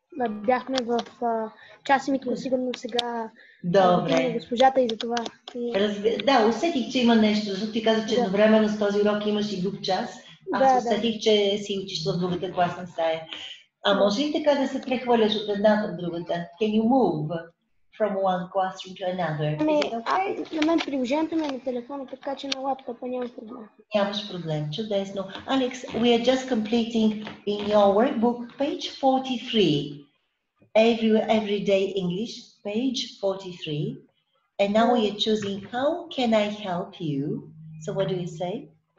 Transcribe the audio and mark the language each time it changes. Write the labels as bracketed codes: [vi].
[bg] Бяхме в час и микро, сигурно сега. Добре. Госпожата и за това. Да, усетих, че има нещо, защото ти каза, че да. Едновременно с този урок имаш и друг час. Аз да, усетих, да. Че си учиш в другата класна стая. А може ли така да се прехвърляш от едната в другата? [en] Can you move from one classroom to another? [bg] Не, на мен приложението ми е на телефона, така че на лаптопа нямаш проблем. Нямаш проблем, чудесно. [en] Alex, we are just completing in your workbook page 43. Everyday English, page 43. And now we are choosing how can I help you? So what do you say?